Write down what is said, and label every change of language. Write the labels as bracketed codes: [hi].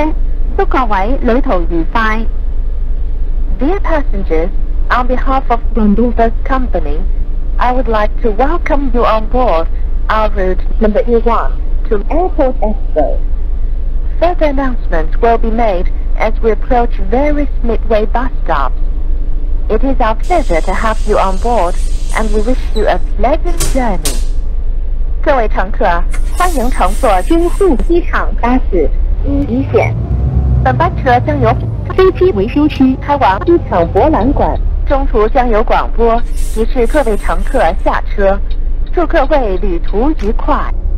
[zh] 各位乘客，欢迎乘搭关渡机场A4。本班车将由飞机维修区开往机场博览馆，中途将有广播提示各位乘客落车。祝各位旅途愉快。 [en] Dear passengers, on behalf of Grundorf Company, I would like to welcome you on board our route number E1 to Airport Expo. Further announcements will be made as we approach various midway bus stops. It is our pleasure to have you on board, and we wish you a pleasant journey. [zh] 各位乘客，欢迎乘坐京沪机场巴士E1线。本班车将由飞机维修区开往机场博览馆，中途将有广播提示各位乘客下车。祝各位旅途愉快。